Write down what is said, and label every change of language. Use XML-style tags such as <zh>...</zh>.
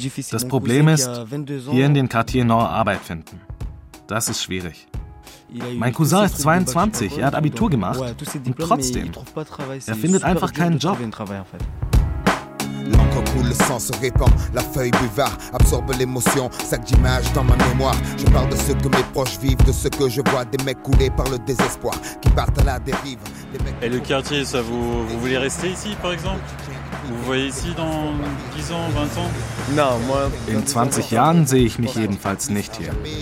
<de>Das Problem ist, hier in den Quartier Nord Arbeit finden. Das ist schwierig. Mein Cousin ist 22, er hat Abitur gemacht und trotzdem, er findet einfach keinen Job.</de> <fr>Le sang se répand, la feuille buvard absorbe l'émotion, sac d'images dans ma mémoire. Je parle de ce que mes proches vivent, de ce que je vois, des mecs coulés par le désespoir qui partent à la dérive. Et le quartier, ça vous voulez rester ici par exemple? Vous voyez ici dans 10 ans, 20 ans? Non, moi.</fr> <de>In 20 Jahren sehe ich mich jedenfalls nicht hier.</de>